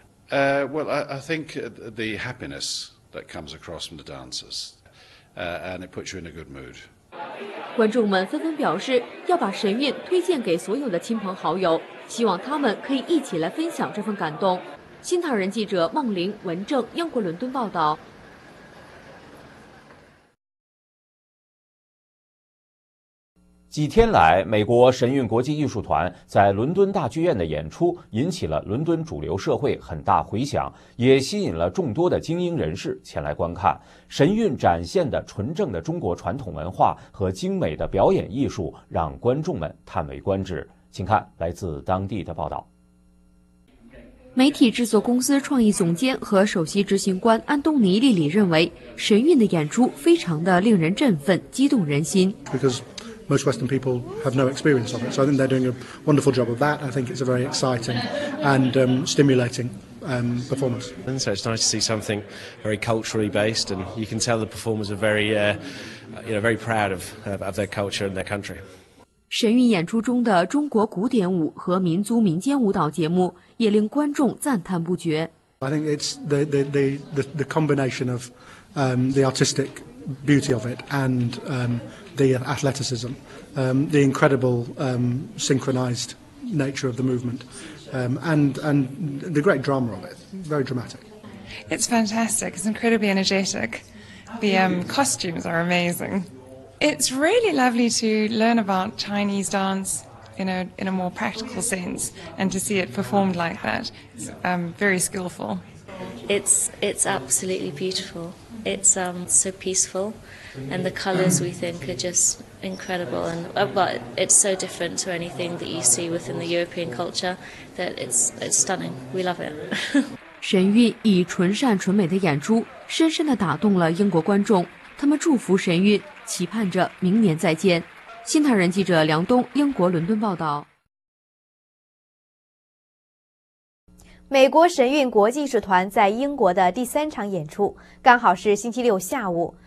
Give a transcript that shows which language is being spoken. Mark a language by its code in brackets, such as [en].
[en] I think the happiness that comes across from the dancers, and it puts you in a good mood. [zh] 观众们纷纷表示要把神韵推荐给所有的亲朋好友，希望他们可以一起来分享这份感动。新唐人记者孟玲、文正，英国伦敦报道。几天来，美国神韵国际艺术团在伦敦大剧院的演出引起了伦敦主流社会很大回响，也吸引了众多的精英人士前来观看。神韵展现的纯正的中国传统文化和精美的表演艺术让观众们叹为观止。请看来自当地的报道。媒体制作公司创意总监和首席执行官安东尼·利里认为，神韵的演出非常的令人振奋，激动人心。 [en] Most Western people have no experience of it, so I think they're doing a wonderful job of that. I think it's a very exciting and stimulating performance. And so it's nice to see something very culturally based, and you can tell the performers are very, very proud of their culture and their country. [zh] 神韵演出中的中国古典舞和民族民间舞蹈节目也令观众赞叹不绝。 [en] I think it's the combination of the artistic beauty of it and the athleticism, the incredible synchronized nature of the movement, and the great drama of it, very dramatic. It's fantastic. It's incredibly energetic. The costumes are amazing. It's really lovely to learn about Chinese dance in a more practical sense and to see it performed like that. It's very skillful. It's absolutely beautiful. It's so peaceful. And the colors we think are just incredible, and but it's so different to anything that you see within the European culture that it's stunning. We love it. [zh] 神韵以纯善纯美的演出深深地打动了英国观众，他们祝福神韵，期盼着明年再见。新唐人记者梁东，英国伦敦报道。美国神韵国际艺术团在英国的第三场演出刚好是星期六下午。